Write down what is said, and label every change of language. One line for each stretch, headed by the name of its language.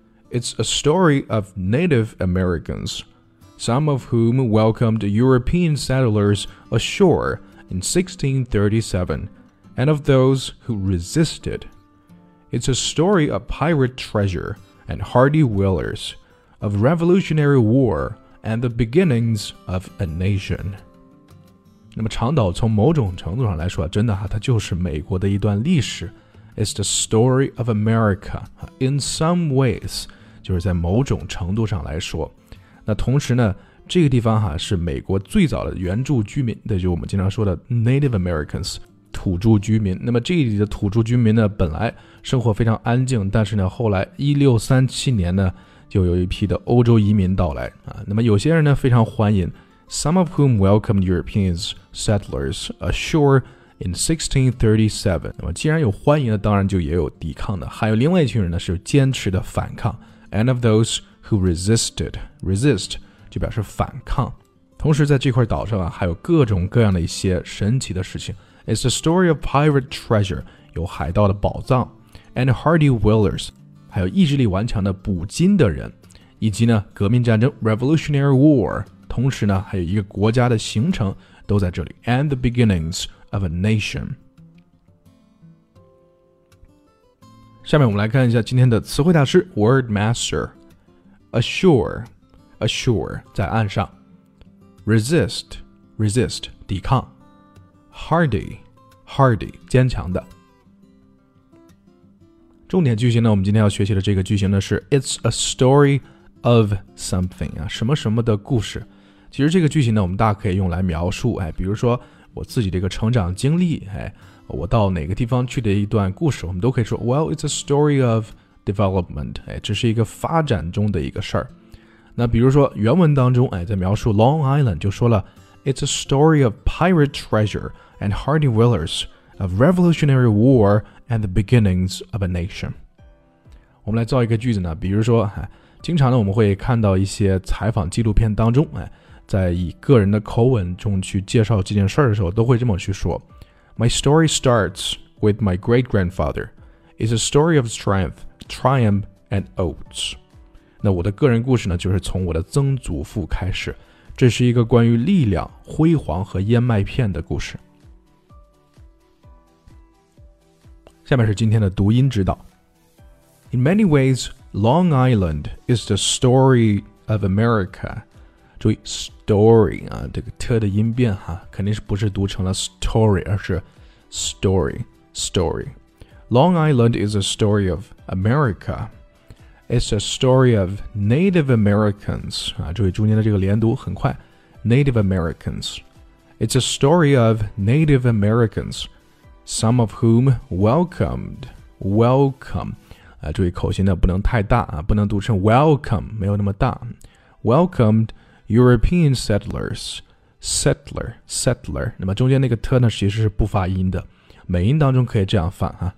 English: It's a story of Native Americans, some of whom welcomed European settlers ashore in 1637, and of those who resisted. It's a story of pirate treasure and hardy whalers, of Revolutionary War and the beginnings of a nation.
Chinese: 那么长岛从某种程度上来说，真的哈，它就是美国的一段历史。
English: It's the story of America. In some ways,
Chinese: 就是在某种程度上来说。那同时呢，这个地方哈是美国最早的原住居民，那就我们经常说的 Native Americans, 土著居民。那么这里的土著居民呢，本来生活非常安静，但是呢，后来1637年呢，就有一批的欧洲移民到来啊。那么有些人呢，非常欢迎。
English: Some of whom welcomed European settlers ashore in 1637.
Chinese: 那么既然有欢迎的，当然就也有抵抗的。还有另外一群人呢，是坚持的反抗。
English: And of those who resisted.
Chinese: Resist 就表示反抗。同时在这块岛上啊，还有各种各样的一些神奇的事情。
English: It's a story of pirate treasure.
Chinese: 有海盗的宝藏。
English: And hardy whalers.
Chinese: 还有意志力顽强的捕鲸的人。以及呢，革命战争 Revolutionary War. 同时呢，还有一个国家的形成都在这里
English: And the beginnings of a nation
Chinese: 下面我们来看一下今天的词汇大师 Word Master Ashore Ashore 在岸上 Resist Resist 抵抗 Hardy Hardy 坚强的重点句型呢我们今天要学习的这个句型呢是
English: It's a story of something、
Chinese: 啊、什么什么的故事其实这个句型呢，我们大可以用来描述，哎，比如说我自己这个成长经历，哎，我到哪个地方去的一段故事，我们都可以说 ，
English: Well, it's a story of development，
Chinese: 哎，这是一个发展中的一个事儿。那比如说原文当中，哎，在描述 Long Island 就说了
English: ，It's a story of pirate treasure and hardy whalers of Revolutionary War and the beginnings of a nation。
Chinese: 我们来造一个句子呢，比如说，哎，经常呢我们会看到一些采访纪录片当中，哎。在以个人的口吻中去介绍这件事的时候都会这么去说
English: My story starts with my great-grandfather. It's a story of strength, triumph, and oats.
Chinese: 那我的个人故事呢就是从我的曾祖父开始这是一个关于力量、辉煌和燕麦片的故事下面是今天的读音指导
English: In many ways, Long Island is the story of America.
Chinese: 注意 story 啊，这个 t 的音变哈，肯定是不是读成了 story， 而是 story story。
English: Long Island is a story of America. It's a story of Native Americans
Chinese: 啊，注意中间的这个连读很快
English: ，Native Americans. It's a story of Native Americans, some of whom welcome
Chinese: 啊，注意口型呢不能太大啊，不能读成 welcome， 没有那么大
English: welcomed. European settlers, settler, settler.
Chinese: 那么中间那个 t 呢，其实是不发音的，美音当中可以这样发啊。